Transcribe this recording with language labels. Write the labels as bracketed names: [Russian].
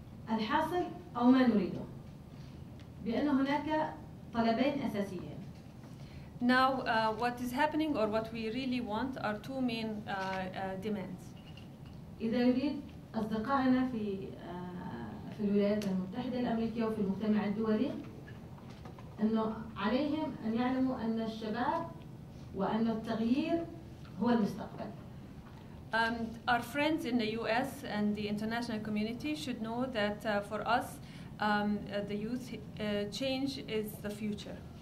[Arabic] الحاصل أو ما نريده بأنه هناك طلبين أساسيين. [English] Now what is happening or what we really want are two main demands. [Arabic] إذا يريد أصدقائنا في في الولايات المتحدة الأمريكية وفي المجتمع الدولي أنه عليهم أن يعلموا أن الشباب وأن التغيير هو المستقبل. [English] Our friends in the U.S. and the international community should know that for us, the youth change is the future.